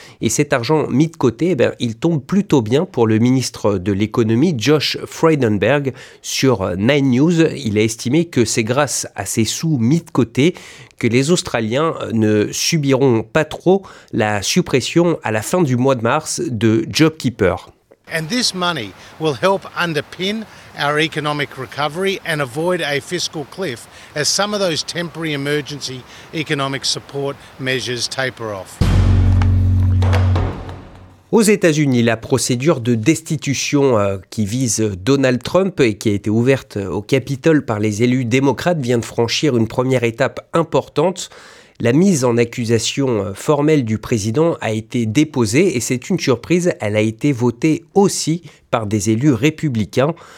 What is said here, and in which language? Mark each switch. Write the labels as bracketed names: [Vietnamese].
[French] Et cet argent mis de côté, eh bien, il tombe plutôt bien pour le ministre de l'économie, Josh Frydenberg, sur 9 News. Il a estimé que c'est grâce à ces sous mis de côté que les Australiens ne subiront pas trop la suppression à la fin du mois de mars de JobKeeper. [English] And this money will help underpin our economic recovery and avoid a fiscal cliff as some of those temporary emergency economic support measures taper off. [French] Aux États-Unis, la procédure de destitution qui vise Donald Trump et qui a été ouverte au Capitole par les élus démocrates vient de franchir une première étape importante. La mise en accusation formelle du président a été déposée et c'est une surprise, elle a été votée aussi par des élus républicains.